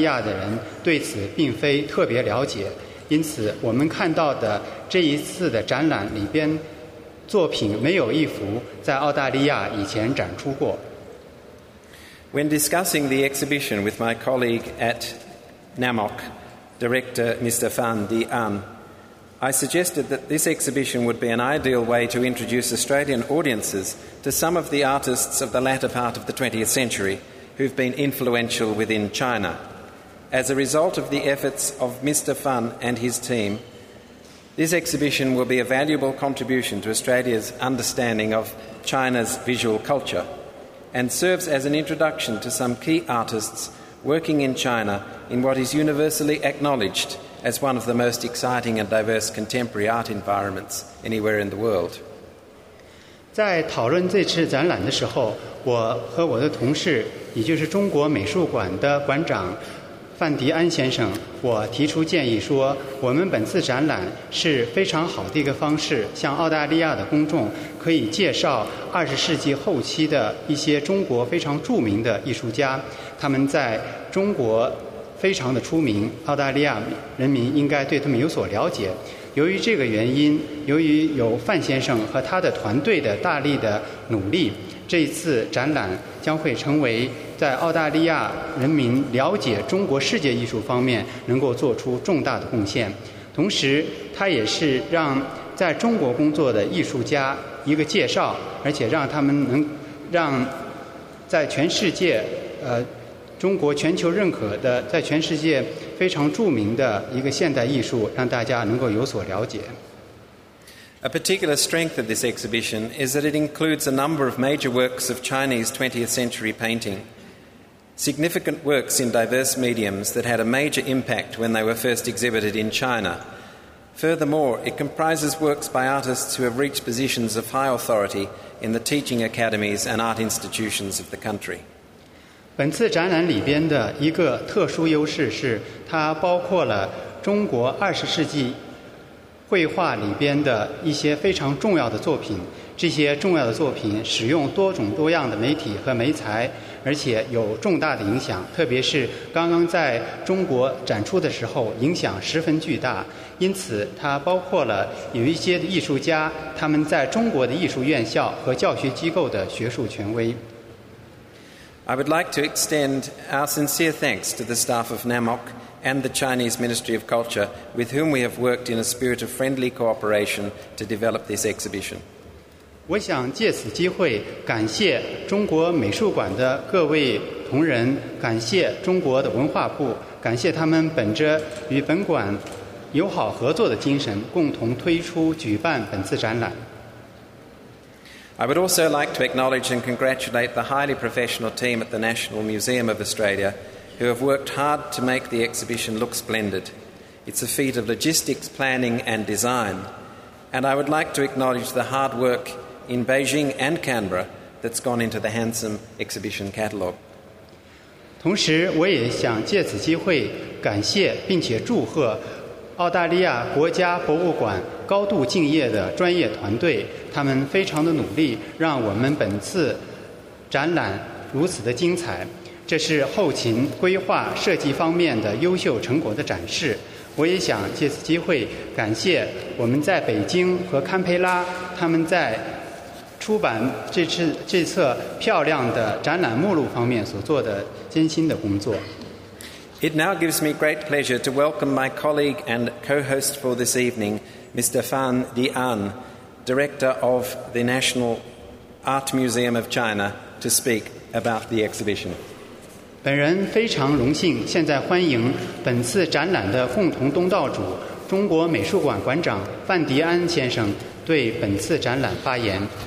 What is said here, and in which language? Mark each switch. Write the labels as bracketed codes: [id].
[zh] 澳大利亚的艺术爱好者对于中国当代的艺术是比较熟悉的，然而中国在1950年代到1980年代几十年期间的艺术，澳大利亚的人对此并非特别了解。因此我们看到的这一次的展览里边作品没有一幅在澳大利亚以前展出过。 [en] When discussing the exhibition with my colleague at NAMOC, Director Mr. Fan Di An, I suggested that this exhibition would be an ideal way to introduce Australian audiences to some of the artists of the latter part of the 20th century who've been influential within China. As a result of the efforts of Mr. Fun and his team, this exhibition will be a valuable contribution to Australia's understanding of China's visual culture and serves as an introduction to some key artists working in China in what is universally acknowledged as one of the most exciting and diverse contemporary art environments anywhere in the world. [zh] 在讨论这次展览的时候，我和我的同事，也就是中国美术馆的馆长范迪安先生，我提出建议说，我们本次展览是非常好的一个方式，向澳大利亚的公众可以介绍二十世纪后期的一些中国非常著名的艺术家，他们在中国非常的出名，澳大利亚人民应该对他们有所了解。由于这个原因，由于有范先生和他的团队的大力的努力，这一次展览将会成为在澳大利亚人民了解中国世界艺术方面能够做出重大的贡献，同时它也是让在中国工作的艺术家一个介绍，而且让他们能让在全世界中国全球认可的在全世界非常著名的一个现代艺术让大家能够有所了解。 [en] A particular strength of this exhibition is that it includes a number of major works of Chinese 20th century painting, significant works in diverse mediums that had a major impact when they were first exhibited in China. Furthermore, it comprises works by artists who have reached positions of high authority in the teaching academies and art institutions of the country. [zh] 本次展览里边的一个特殊优势是它包括了中国二十世纪绘画里边的一些非常重要的作品，这些重要的作品使用多种多样的媒体和媒材，而且有重大的影响，特别是刚刚在中国展出的时候影响十分巨大，因此它包括了有一些艺术家他们在中国的艺术院校和教学机构的学术权威。 [en] I would like to extend our sincere thanks to the staff of NAMOC and the Chinese Ministry of Culture, with whom we have worked in a spirit of friendly cooperation to develop this exhibition. [zh] 我想借此机会感谢中国美术馆的各位同仁，感谢中国的文化部，感谢他们本着与本馆友好合作的精神，共同推出举办本次展览。 [en] I would also like to acknowledge and congratulate the highly professional team at the National Museum of Australia, who have worked hard to make the exhibition look splendid. It's a feat of logistics, planning and design. And I would like to acknowledge the hard work in Beijing and Canberra that's gone into the handsome exhibition catalogue. [zh] 同时我也想借此机会感谢并且祝贺澳大利亚国家博物馆高度敬业的专业团队，他们非常的努力让我们本次展览如此的精彩。这是后勤规划设计方面的优秀成果的展示。我也想借此机会感谢我们在北京和堪培拉他们在出版这次漂亮的展览目录方面所做的艰辛的工作。 [en] It now gives me great pleasure to welcome my colleague and co-host for this evening, Mr. Fan Di An, Director of the National Art Museum of China, to speak about the exhibition. [zh] 本人非常荣幸现在欢迎本次展览的共同东道主中国美术馆馆长范迪安先生对本次展览发言。